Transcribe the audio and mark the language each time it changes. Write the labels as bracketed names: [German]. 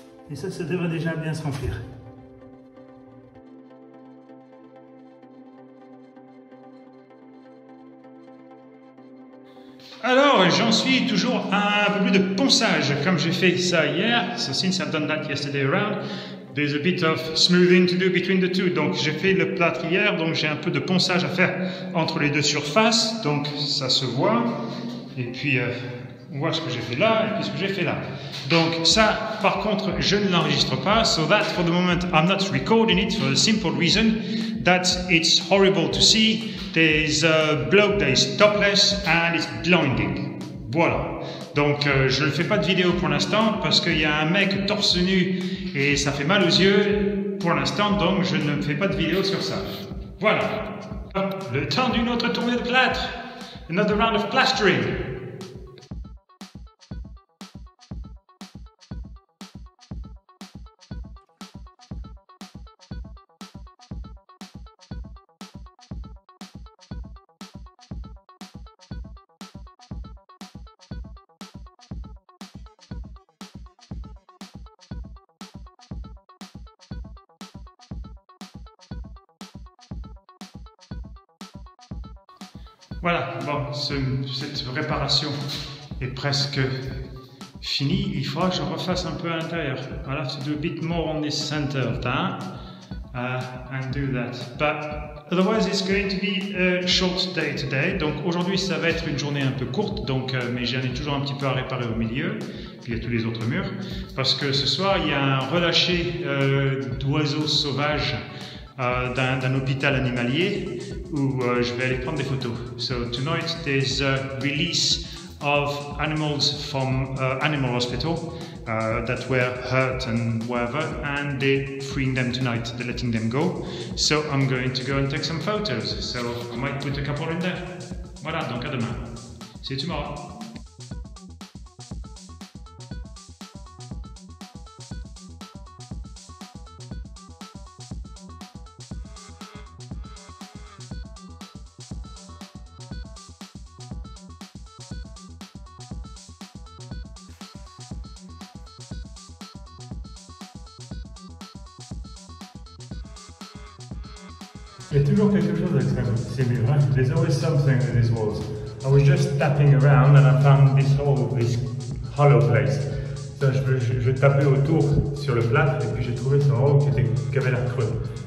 [French] Et ça, ça devrait déjà bien se remplir. Alors, j'en suis toujours à un peu plus de ponçage, comme j'ai fait ça hier. [English] So, since I've done that yesterday around, there's a bit of smoothing to do between the two. [French] Donc, j'ai fait le plâtre hier, donc j'ai un peu de ponçage à faire entre les deux surfaces. Donc, ça se voit. Et puis, on voit ce que j'ai fait là et puis ce que j'ai fait là. Donc ça, par contre, je ne l'enregistre pas. [English] So that, for the moment, I'm not recording it for the simple reason that it's horrible to see. There's a bloke that is topless and it's blinding. [French] Voilà. Donc je ne fais pas de vidéo pour l'instant parce qu'il y a un mec torse nu et ça fait mal aux yeux pour l'instant. Donc je ne fais pas de vidéo sur ça. Voilà. Le temps d'une autre tournée de plâtre. [English] Another round of plastering. [French] Voilà, bon, cette réparation est presque finie. Il faudra que je refasse un peu à l'intérieur. [English] I'll have to do a bit more on this center of that and do that. But otherwise, it's going to be a short day today. [French] Donc aujourd'hui, ça va être une journée un peu courte, donc, mais j'en ai toujours un petit peu à réparer au milieu. Il y a tous les autres murs. Parce que ce soir, il y a un relâché d'oiseaux sauvages d'un hôpital animalier où je vais aller prendre des photos. [English] So tonight there's a release of animals from animal hospital that were hurt and whatever, and they're freeing them tonight, they're letting them go. So I'm going to go and take some photos. So I might put a couple in there. [French] Voilà, donc à demain. [English] See you tomorrow. There's always [French] quelque chose avec ces murs, hein? [English] There's always something with these walls. I was just tapping around and I found this hollow place. [French] So je tapais autour sur le plâtre et puis j'ai trouvé ce hollow qui avait l'air creux.